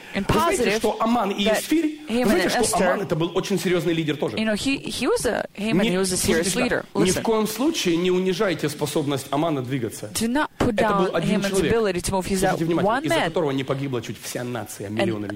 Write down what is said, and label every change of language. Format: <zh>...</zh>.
<en>In positive,</en> <ru>вы знаете, что Аман и Есфирь, Аман это был очень серьезный лидер тоже.</ru> <en>You know, he was a Haman, he was a serious leader.</en> <ru>Ни в коем случае не унижайте способность Амана двигаться.</ru> <en>Do not put down Haman's ability to move. He's a one man.</en> <ru>Из-за которого не погибла чуть вся нация, миллионы людей.</ru>